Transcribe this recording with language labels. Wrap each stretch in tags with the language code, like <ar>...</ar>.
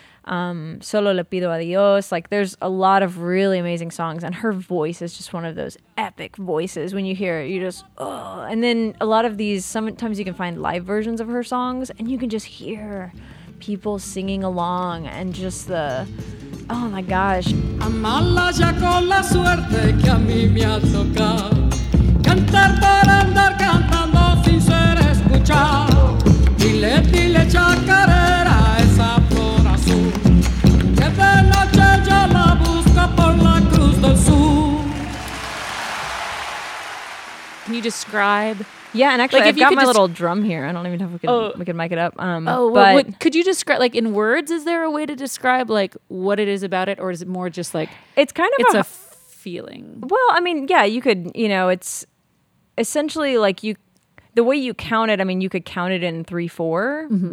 <en>Solo Le Pido a Dios. Like there's a lot of really amazing songs, and her voice is just one of those epic voices. When you hear it, you just, oh. And then a lot of these, sometimes you can find live versions of her songs, and you can just hear people singing along and just the, oh my gosh.</en> <es>Amala ya con la suerte que a mí me ha tocado. Cantar por andar cantando sin ser escuchado. Dile, dile, chacarera esa flor azul. Que de noche ya la busca por la cruz del sur.</es> <en>Can you describe? Yeah, and actually, like I've got my little drum here. I don't even know if we could mic it up. Could you describe, like in words, is there a way to describe like what it is about it? Or is it more just like, it's kind of a feeling? Well, I mean, yeah, you could, you know, it's essentially like the way you count it, I mean, you could count it in 3-4, mm-hmm.</en>